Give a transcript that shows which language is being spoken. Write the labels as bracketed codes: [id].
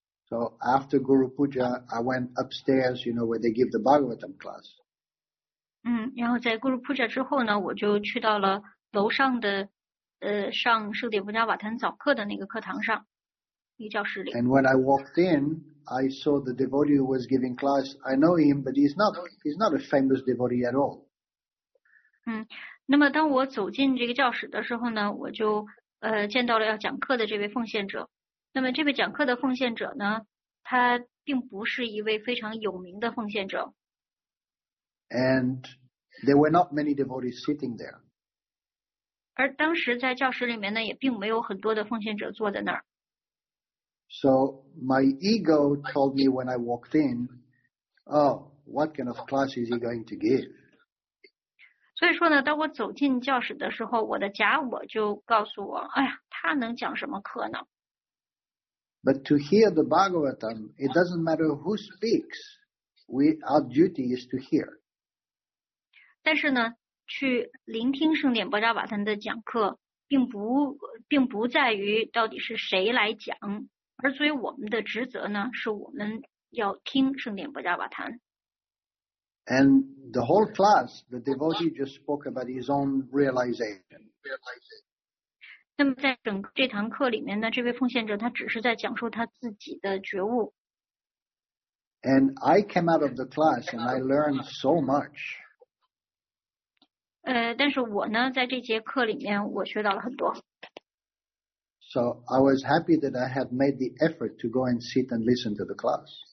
[en] So after Guru Puja, I went upstairs, you know, where they give the Bhagavatam class. [zh] 嗯，然后在 Guru Puja 之后呢，我就去到了楼上的，上圣典温家瓦坦早课的那个课堂上，一个教室里。 [en] And when I walked in, I saw the devotee who was giving class. I know him, but he's not a famous devotee at all. [zh] 嗯，那么当我走进这个教室的时候呢，我就见到了要讲课的这位奉献者。那么这位讲课的奉献者呢，他并不是一位非常有名的奉献者。 [en] And there were not many devotees sitting there. [zh] 而当时在教室里面呢，也并没有很多的奉献者坐在那儿。 [en] So my ego told me when I walked in, oh, what kind of class is he going to give? [zh] 所以说呢，当我走进教室的时候，我的假我就告诉我，哎呀，他能讲什么课呢？ [en] But to hear the Bhagavatam, it doesn't matter who speaks. Our duty is to hear. [zh] 但是呢，去聆听圣典波扎瓦坦的讲课，并不在于到底是谁来讲，而作为我们的职责呢，是我们要听圣典波扎瓦坦。 [en] And the whole class, the devotee just spoke about his own realization. [zh] 那么在整个这堂课里面呢，这位奉献者他只是在讲述他自己的觉悟。 [en] And I came out of the class and I learned so much. [zh] 但是我呢，在这节课里面我学到了很多。 [en] So I was happy that I had made the effort to go and sit and listen to the class.